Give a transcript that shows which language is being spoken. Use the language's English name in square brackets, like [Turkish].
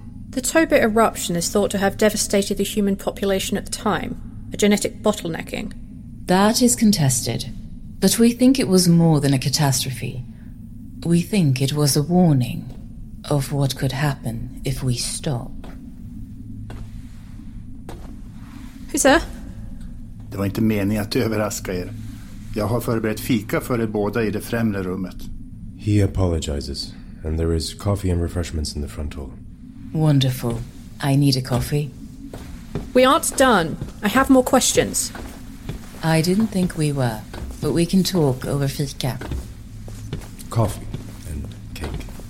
[English] The Toba eruption is thought to have devastated the human population at the time, a genetic bottlenecking. That is contested. But we think it was more than a catastrophe. We think it was a warning of what could happen if we stop. Who's there? [Swedish] Det var inte meningen att överraska er. Jag har förberett fika för er båda i det främre rummet. [English] He apologizes, and there is coffee and refreshments in the front hall. Wonderful. I need a coffee. We aren't done. I have more questions. I didn't think we were, but we can talk over fika. Coffee and cake.